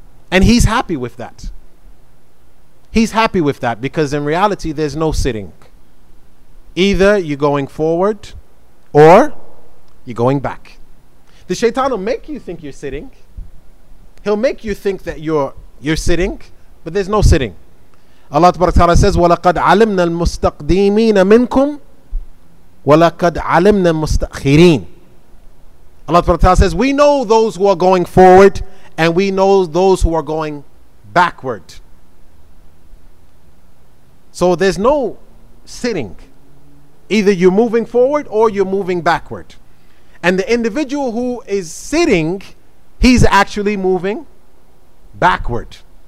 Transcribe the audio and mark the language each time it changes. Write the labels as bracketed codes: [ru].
[en] And he's happy with that. He's happy with that because in reality, there's no sitting. Either you're going forward or you're going back. The shaitan will make you think you're sitting. He'll make you think that you're sitting, but there's no sitting. Allah Ta'ala says, [ar] وَلَقَدْ عَلِمْنَا الْمُسْتَقْدِيمِينَ مِنْكُمْ وَلَقَدْ عَلِمْنَا الْمُسْتَأْخِرِينَ [en] Allah Ta'ala says, we know those who are going forward and we know those who are going backward. So there's no sitting. Either you're moving forward or you're moving backward. And the individual who is sitting, he's actually moving backward.